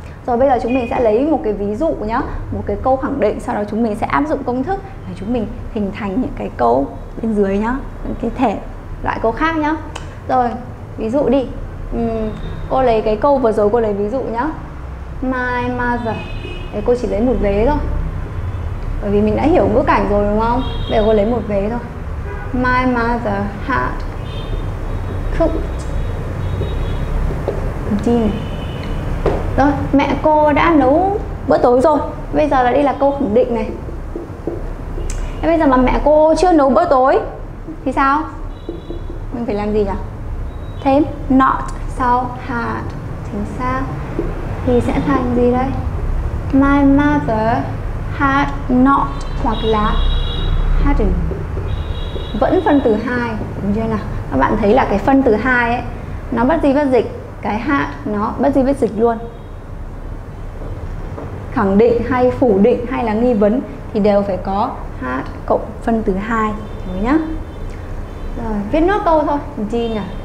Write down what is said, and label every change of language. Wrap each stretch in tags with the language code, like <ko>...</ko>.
<vi>Rồi bây giờ chúng mình sẽ lấy một cái ví dụ nhá, một cái câu khẳng định, sau đó chúng mình sẽ áp dụng công thức để chúng mình hình thành những cái câu bên dưới nhá, những cái thể loại câu khác nhá. Rồi, ví dụ đi. Cô lấy cái câu vừa rồi, cô lấy ví dụ nhá.</vi> <en>My mother.</en> <vi>Đấy, cô chỉ lấy một vế thôi. Bởi vì mình đã hiểu ngữ cảnh rồi đúng không? Bây giờ cô lấy một vế thôi.</vi> <en>My mother had cooked dinner.</en> <vi>Rồi, mẹ cô đã nấu bữa tối rồi. Bây giờ là đây là câu khẳng định này. Thế bây giờ mà mẹ cô chưa nấu bữa tối thì sao? Mình phải làm gì nhỉ? Thêm not sau had. Chính xác. Thì sẽ thành gì đây?</vi> <en>My mother had not,</en> <vi>hoặc là</vi> <en>hadn't.</en> <vi>Vẫn phân từ 2, đúng chưa nào? Các bạn thấy là cái phân từ 2 ấy, nó bất di bất dịch. Cái had nó bất di bất dịch luôn. Khẳng định hay phủ định hay là nghi vấn thì đều phải có had cộng phân từ 2, đúng nhá. Rồi, viết nốt câu thôi. Jean à?</vi>